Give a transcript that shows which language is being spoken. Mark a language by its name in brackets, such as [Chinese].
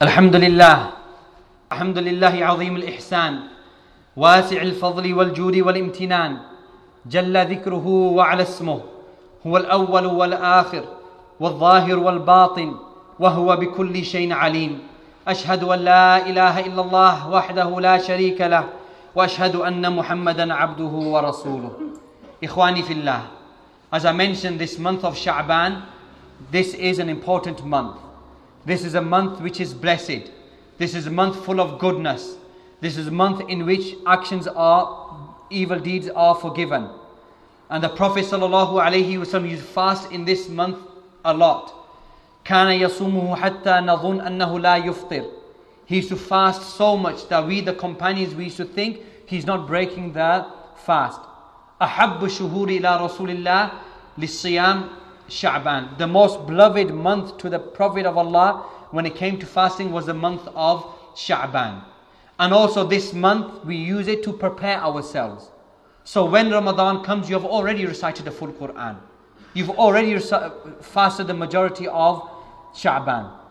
[Arabic] الحمد لله عظيم الإحسان واسع الفضل والجود والامتنان جل ذكره وعلى اسمه هو الأول والآخر والظاهر والباطن وهو بكل شيء عليم. أشهد أن لا إله إلا الله وحده لا شريك له وأشهد أن محمدا عبده ورسوله. إخواني في الله, [English] as I mentioned, this month of Sha'ban, this is an important month. This is a month which is blessed. This is a month full of goodness. This is a month in which actions are, evil deeds are forgiven. And the Prophet sallallahu alayhi wasallam used to fast in this month a lot. [Arabic] كَانَ يَصُومُهُ حَتَّى نَظُنْ أَنَّهُ لَا يُفْطِرْ. [English] He used to fast so much that we, the companions, we used to think he's not breaking the fast. [Arabic] أَحَبُّ شُهُورِ إِلَىٰ رَسُولِ اللَّهِ لِلصِّيَامِ Sha'ban. [English] The most beloved month to the Prophet of Allah when it came to fasting was the month of Sha'ban. And also this month we use it to prepare ourselves. So when Ramadan comes, you have already recited the full Quran. You've already fasted the majority of Sha'ban.